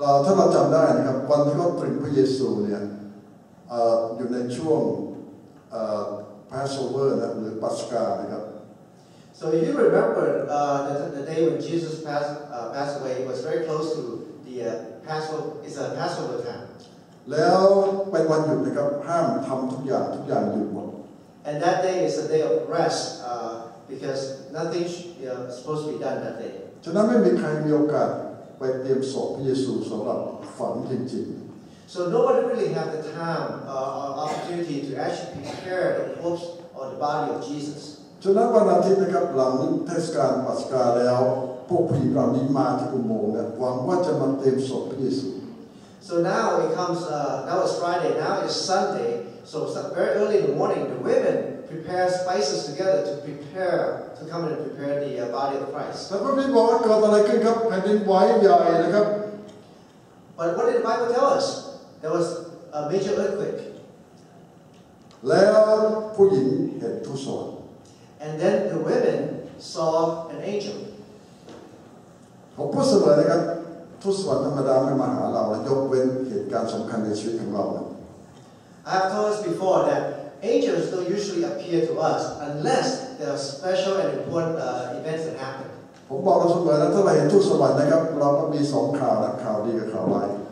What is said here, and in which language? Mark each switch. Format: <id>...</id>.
<th>ถ้าเราจำได้นะครับวันที่เขาตรึงพระเยซูเนี่ยอยู่ในช่วง Passover นะหรือปัสกานะครับ</th> <en>So if you remember the day when Jesus passed away, it was very close to the Passover. It's a Passover time.</en> <th>แล้วเป็นวันหยุดนะครับห้ามทำทุกอย่างหยุดหมด</th> <en>And that day is a day of rest because nothing supposed to be done that day.</en> <th>ฉะนั้นไม่มีใครมีโอกาสไปเตรียมศพพระเยซูสำหรับฝังจริง</th> <en>ๆ So nobody really had the time or opportunity to actually prepare the corpse or the body of Jesus.</en> <th>ฉะนั้นวันอาทิตย์นะครับหลังเทศกาลปัสกาแล้วพวกผู้หญิงเหล่านี้มาที่อุโมงค์นะหวังว่าจะมาเตรียมศพพระเยซู</th> <en>So now it comes now it's Friday now it's Sunday so very early in the morning the women prepare spices together to prepare to come and prepare the body of Christ</en> <th>แล้วพระบิดาบอกว่าเกิดอะไรขึ้นครับแผ่นดินไหวใหญ่นะครับ</th> <en>But what did the Bible tell us there was a major earthquake</en> <th>แล้วผู้หญิงเห็นทุสวร</th> <en>And then the women saw an angel.</en> <th>ผมพูดเสมอนะครับ ทูตสวรรค์ธรรมดาไม่มาหาเรายกเว้นเหตุการณ์สำคัญในชีวิตของเรา</th> <en>I have told you before that angels don't usually appear to us unless there are special and important events that happen</en> <th>ผมบอกเราเสมอนะถ้าเราเห็นทูตสวรรค์นะครับเราก็มีสองข่าวนะข่าวดีกับข่าวร้าย</th>